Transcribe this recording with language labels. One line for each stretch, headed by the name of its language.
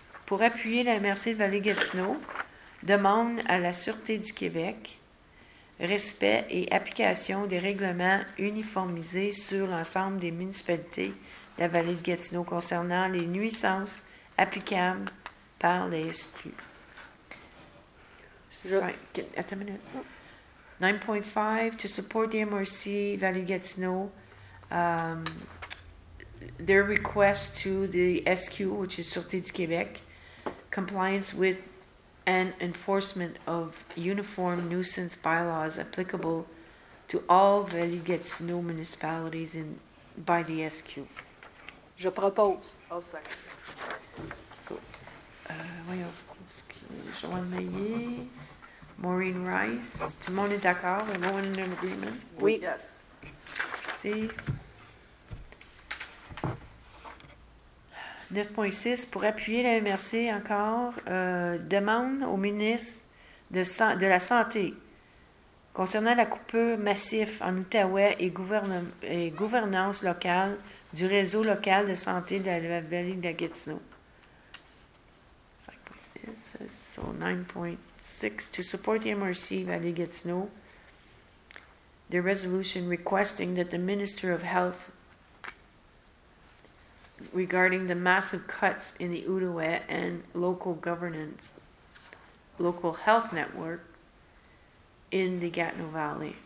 French: pour appuyer la MRC de Vallée-Gatineau, demande à la Sûreté du Québec respect et application des règlements uniformisés sur l'ensemble des municipalités de la Vallée de Gatineau concernant les nuisances applicables par les SQ. Attends une minute.
English: 9.5, to support the MRC Vallée-Gatineau, their request to the SQ, which is Sûreté du Québec, compliance with and enforcement of uniform nuisance bylaws applicable to all Vallée-Gatineau municipalities in, by the SQ.
French: Je propose.
English: I'll second.
French: So, voyons. Joanne Maillet. Maureen Rice. Tout le monde est d'accord?
English: Everyone in agreement?
French: Oui.
English: Yes.
French: Merci. 9.6, pour appuyer la MRC encore, demande au ministre de la Santé concernant la coupure massive en Outaouais et gouvernance locale du réseau local de santé de la vallée de la Gatineau.
English: 5.6, so 9.6, to support the MRC Vallée Gatineau, the resolution requesting that the Minister of Health regarding the massive cuts in the Outaouais and local governance, local health networks in the Gatineau Valley.